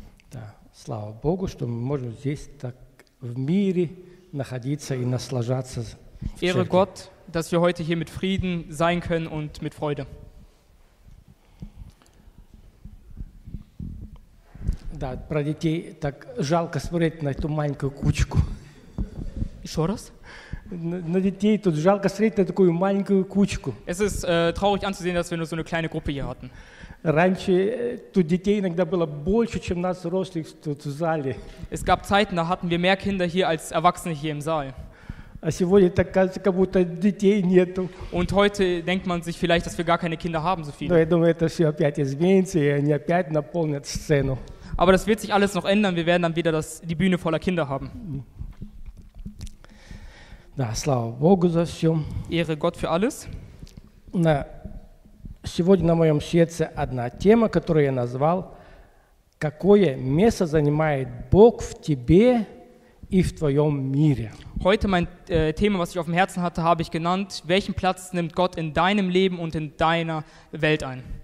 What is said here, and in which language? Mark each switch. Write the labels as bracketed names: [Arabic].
[Russian] Да, слава Богу, что мы можем здесь так в мире находиться и наслаждаться. [German] Ehre Gott, dass wir heute hier mit Frieden sein können und mit Freude. [Russian] Да, про детей так жалко смотреть на эту маленькую кучку. Еще раз. На детей тут жалко смотреть на такую маленькую кучку. [German] Es ist traurig anzusehen, dass wir nur so eine kleine Gruppe hier hatten. [Russian] Раньше тут детей иногда было больше, чем нас взрослых тут в зале. [German] Es gab Zeiten, da hatten wir mehr Kinder hier als Erwachsene hier im Saal. [Russian] А сегодня так кажется, как будто детей нету. [German] Und heute denkt man sich vielleicht, dass wir gar keine Kinder haben, so viele. [Russian] Но я думаю, это все опять изменится, и они опять наполнят сцену. [German] Aber das wird sich alles noch ändern, wir werden dann wieder die Bühne voller Kinder haben. [Russian] Да, слава Богу за все. [German] Ehre Gott für alles. [Russian] Сегодня на моем сердце одна тема, которую я назвал «Какое место занимает Бог в тебе и в твоем мире?» [German] Heute mein Thema, was ich auf dem Herzen hatte, habe ich genannt «Welchen Platz nimmt Gott in deinem Leben und in deiner Welt ein?»